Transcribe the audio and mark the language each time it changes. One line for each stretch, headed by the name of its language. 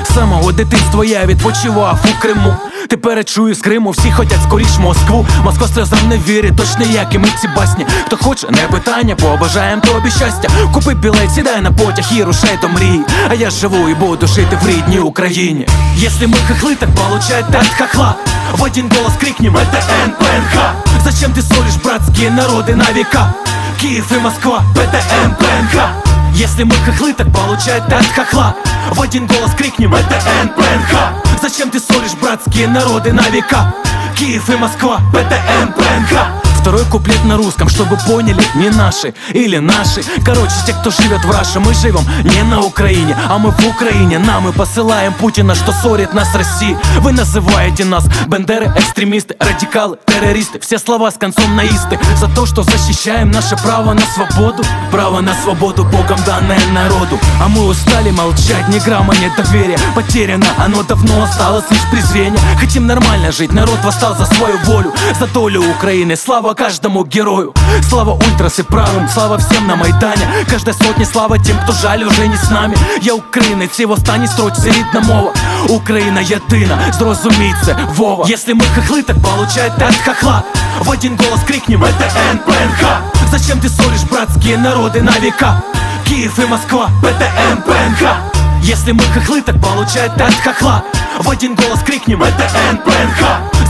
Ukrainian: З самого дитинства я відпочивав у Криму, тепер чую з Криму, всі хотять скоріш Москву. Москва сльозам не вірить, точно як і ми ці басні. Хто хоче, не питання, побажаєм тобі щастя. Купи білет, сідай на потяг і рушай до мрії. А я живу і буду жити в рідній Україні. Якщо ми хахли, так
Russian: получайте от хахла.
Ukrainian: В один голос крикнем,
Russian: это НПНХ.
Ukrainian: Зачем ти солиш братські народи на віка? Київ і Москва, ПТМ, ПНХ. Якщо ми хахли, так
Russian: получайте от хахла.
Ukrainian: В один голос крикнем,
Russian: это НПНХ.
Ukrainian: Зачем ти солиш братські народи на віка? Київ і Москва, ПТМ, ПНХ.
Russian: Второй куплет на русском, чтобы поняли, не наши или наши. Короче, те, кто живет в Раше, мы живем не на Украине, а мы в Украине. Нам и посылаем Путина, что ссорит нас России. Вы называете нас бендеры, экстремисты, радикалы, террористы. Все слова с концом наисты. За то, что защищаем наше право на свободу. Право на свободу, Богом данное народу. А мы устали молчать, ни грамма, ни доверия. Потеряно оно давно, осталось лишь презрение. Хотим нормально жить, народ восстал за свою волю. За долю Украины, слава. Слава каждому герою, слава ультрас и правым, слава всем на Майдане. Каждой сотне слава тем, кто жаль уже не с нами.
Ukrainian: Я українець, в останній строчці рідна мова. Україна єдина, зрозумій це, Вова.
Russian: Если мы хохли, так получайте от хохла. В один голос крикнем, это НПНХ. Зачем ты солишь братские народы на века? Киев и Москва, ПТМ, ПНХ. Если мы хохли, так получайте от хохла. В один голос крикнем, это НПНХ.